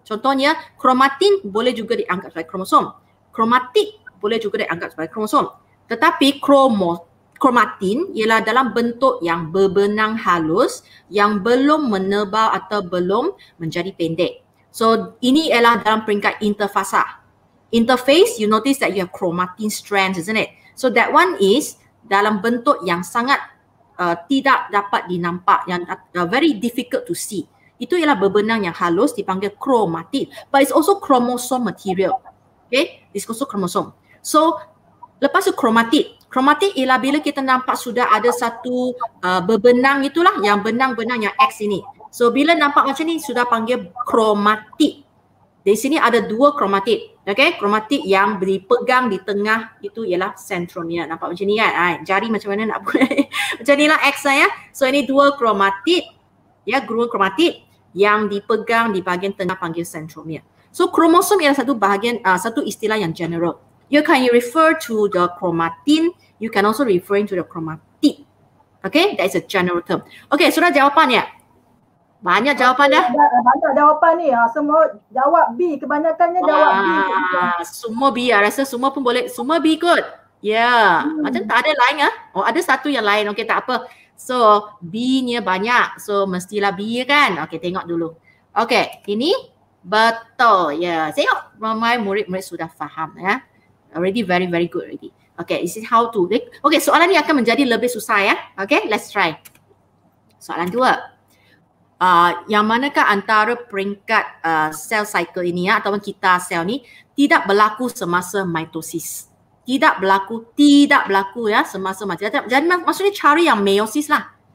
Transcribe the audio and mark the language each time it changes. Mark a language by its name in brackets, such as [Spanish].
[Malay] Contohnya, kromatin boleh juga dianggap sebagai kromosom. Kromatid boleh juga dianggap sebagai kromosom. Tetapi kromatin ialah dalam bentuk yang berbenang halus yang belum menebal atau belum menjadi pendek. So ini ialah dalam peringkat interfasa. [English] Interface, you notice that you have chromatin strands, isn't it? [Malay] So that one is dalam bentuk yang sangat tidak dapat dinampak, yang [English] very difficult to see. [Malay] Itu ialah berbenang yang halus dipanggil kromatin. [English] But it's also chromosome material. Okay, it's also chromosome. [Malay] So lepas tu kromatid. Kromatid ialah bila kita nampak sudah ada satu berbenang itulah, yang benang-benang yang X ini. So bila nampak macam ni sudah panggil kromatid. Di sini ada dua kromatid. Okay, kromatid yang dipegang di tengah itu ialah sentromia. Nampak macam ni kan? Ay, jari macam mana nak buat? Macam ni lah X saya. So ini dua kromatid. Ya, dua kromatid yang dipegang di bahagian tengah panggil sentromia. So kromosom ialah satu bahagian, satu istilah yang general. [English] You can refer to the chromatin. You can also refer to the chromatid. Okay, that is a general term. [Malay] Okay, sudah jawapannya? Banyak jawapan dah. Banyak jawapan ni. Semua jawab B. Kebanyakannya jawab B. Semua B. Ya. Rasa semua pun boleh. Semua B kot. Yeah. Macam tak ada lain lah. Oh, ada satu yang lain. Okay, tak apa. So, B-nya banyak. So, mestilah B kan. Okay, tengok dulu. Okay, ini betul. Yeah. Tengok ramai murid-murid sudah faham ya. [English] Already very very good already. Okay, is it how to? [Malay] Okay, soalan ni akan menjadi lebih susah ya. [English] Okay, let's try. [Malay] Soalan dua. Yang manakah antara peringkat sel cycle ini ya, ataupun kita sel ni tidak berlaku semasa mitosis. Tidak berlaku ya semasa mitosis. Jadi maksudnya cari yang meiosis lah.